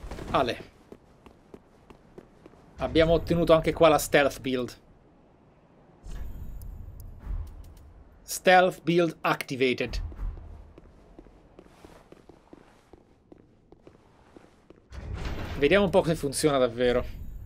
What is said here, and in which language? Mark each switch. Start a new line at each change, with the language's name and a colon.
Italian: Ale, abbiamo ottenuto anche qua la stealth build.
English: Stealth build activated.
Italian: Vediamo un po' se funziona davvero.